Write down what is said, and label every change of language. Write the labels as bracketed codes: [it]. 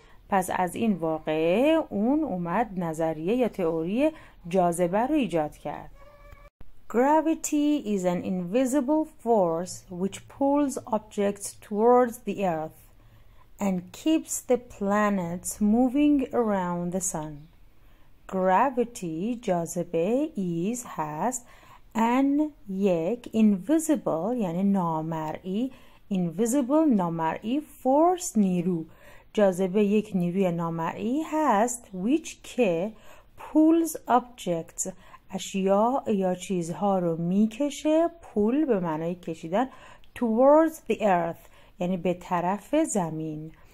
[fa] پس از این واقعه اون اومد نظریه یا تئوری جاذبه رو ایجاد کرد. [en] Gravity is an invisible force which pulls objects towards the earth and keeps the planets moving around the sun. Gravity [fa] جاذبه [en] is [fa] هست [en] and [fa] یک [en] invisible [fa] یعنی نامرئی invisible نامرئی [en] force [fa] نیرو جاذبه یک نیروی نامرئی هست [en] which [fa] که [en] pulls objects [fa] اشیا یا چیزها رو میکشه [en] pull [fa] به معنای کشیدن [en] towards the earth [fa] یعنی به طرف زمین